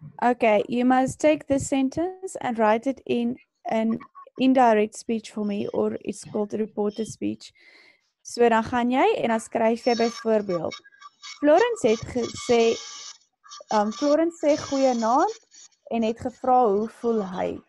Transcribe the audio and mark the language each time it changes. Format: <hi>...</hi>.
<en>Okay, you must take this sentence and write it in an indirect speech for me, or it's called a reported speech.</en> <af>So dan gaan jy en dan skryf jy byvoorbeeld. Florence het gesê, Florence sê goeie naam en het gevra hoe voel hy.</af>